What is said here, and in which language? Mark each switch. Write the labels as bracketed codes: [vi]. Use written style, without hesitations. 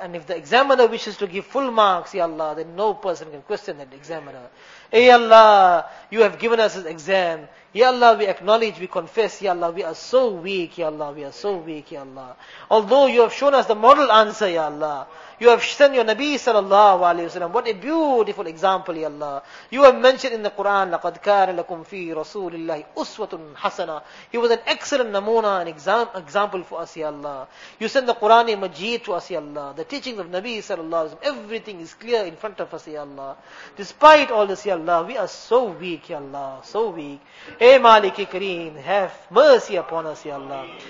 [en] And if the examiner wishes to give full marks, Ya Allah, then no person can question that examiner. Ey Allah, you have given us an exam. Ya Allah, we acknowledge, we confess, Ya Allah, we are so weak, Ya Allah, we are so weak, Ya Allah. Although you have shown us the model answer, Ya Allah. You have sent your Nabi sallallahu alayhi wa sallam. What a beautiful example, Ya Allah. You have mentioned in the Quran, [ar] لَقَدْ كَانَ لَكُمْ فِي رَسُولِ اللَّهِ أُسْوَةٌ حَسَنًا. [en] He was an excellent namuna, an example for us, Ya Allah. You send the Quran in Majid to us, Ya Allah. The teachings of Nabi sallallahu alayhi wa sallam, everything is clear in front of us, Ya Allah. Despite all this, Ya Allah, we are so weak, Ya Allah, so weak. Ey Maliki Kareem, have mercy upon us, Ya Allah.